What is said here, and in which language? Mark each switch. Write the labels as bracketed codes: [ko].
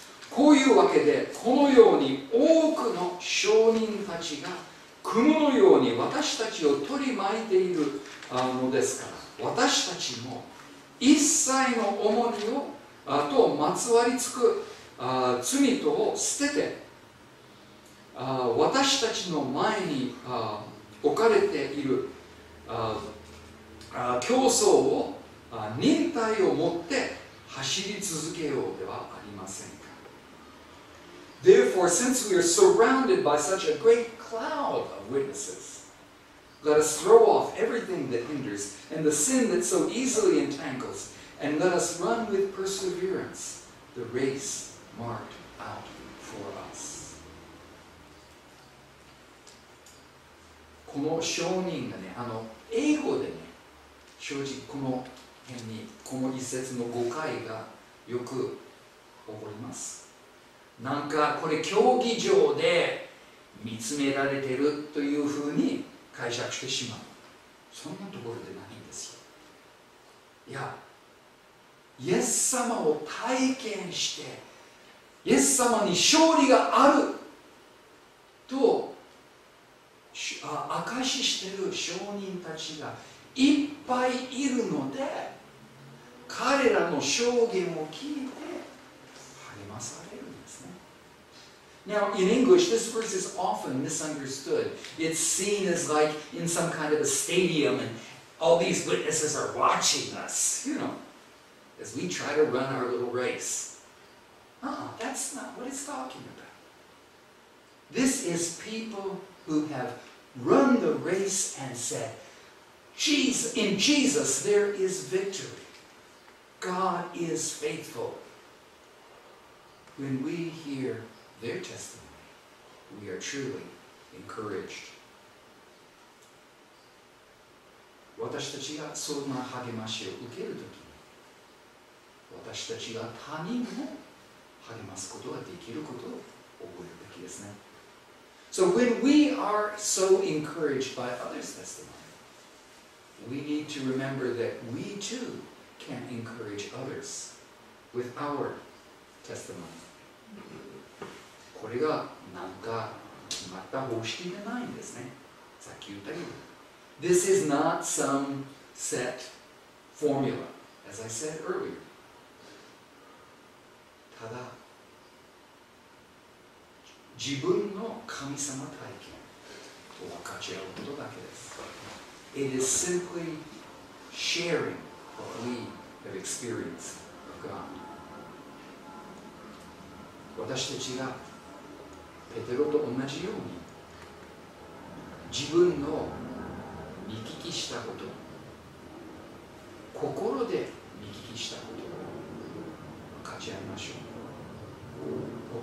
[ja] こういうわけで、このように多くの証人たちが雲のように私たちを取り巻いているのですから、私たちも一切の重荷をとまつわりつく罪とを捨てて、私たちの前に置かれている競争を忍耐を持って走り続けようではありませんか。 [en] Therefore, since we are surrounded by such a great cloud of witnesses, let us throw off everything that hinders and the sin that so easily entangles, and let us run with perseverance the race marked out for us. [ja] この証人がね、英語でね、正直この辺にこの一節の誤解がよく起こります。なんかこれ競技場で見つめられてるというふうに解釈してしまう。そんなところでないんですよ。いや、イエス様を体験して、イエス様に勝利があると証ししてる証人たちがいっぱいいるので、彼らの証言を聞いて励まされる。 [en] Now, in English, this verse is often misunderstood. It's seen as like in some kind of a stadium and all these witnesses are watching us, you know, as we try to run our little race. That's not what it's talking about. This is people who have run the race and said, in Jesus there is victory. God is faithful. When we hear their testimony, we are truly encouraged. [ja] 私たちがそんな励ましを受けるときに、私たちが他人も励ますことができることを覚えるべきですね。 [en] So when we are so encouraged by others' testimony, we need to remember that we too can encourage others with our testimony. [ja] これがなんか決まった方式でないんですね。さっき言ったように。 [en] This is not some set formula, as I said earlier. [ja] ただ、自分の神様体験と分かち合うことだけです。 [en] It is simply sharing what we have experienced of God. [ja] 私たちがペテロと同じように自分の見聞きしたこと、心で見聞きしたことを分かち合いましょう。